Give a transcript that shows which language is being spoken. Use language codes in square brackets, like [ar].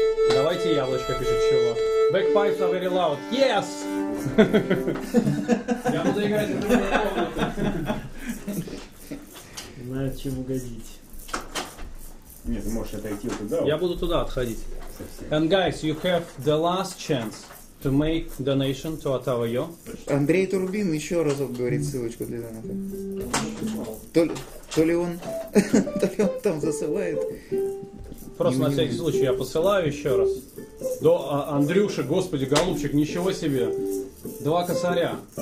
[ru] Давайте яблочко пишет чего. [en] Backpipes are very loud. Yes! [ru] Я буду играть в другую комнату. Знаю, чем угодить. Нет, ты можешь отойти туда. Я буду туда отходить. [en] And guys, you have the last chance to make donation to Atavayo. [ru] Андрей Турбин еще разок говорит ссылочку для донатов. То ли он там засылает. Просто на всякий случай я посылаю еще раз. До Андрюши, господи, голубчик, ничего себе. Два косаря.